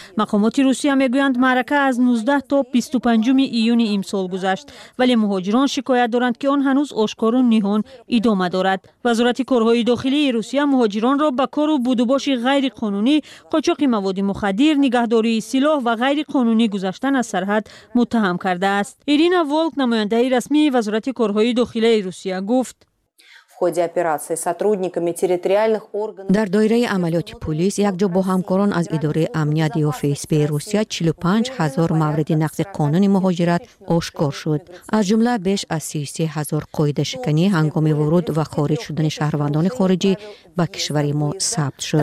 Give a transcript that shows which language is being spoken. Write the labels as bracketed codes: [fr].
[fa] مقامات روسیه میگویند معرکه از 19 تا 25 ایون امسال گذشت، ولی مهاجران شکایت دارند که آن هنوز آشکار و نهان ادامه دارد. وزارت کارهای داخلی روسیه مهاجران را به کار و بودوباش غیر قانونی، قاچاق مواد مخدر، نگهداری سلاح و غیر قانونی گذشتن از سرحد متهم کرده است. ایرینا ولک نماینده رسمی وزارت کارهای داخلی روسیه گفت [ru] ходе операции сотрудниками территориальных органов. [tg] Дар дойраи амалиёти пулис якҷо бо ҳамкорон аз идораи амният ё ФСБ-и Русия 45000 мавриди нақзи қонуни муҳоҷират ошкор шуд. Аз ҷумла беш аз 33000 қоидашиканӣ ҳангоми вуруд ва хориҷ шудани шаҳрвандони хориҷӣ ба кишвари мо сабт шуд.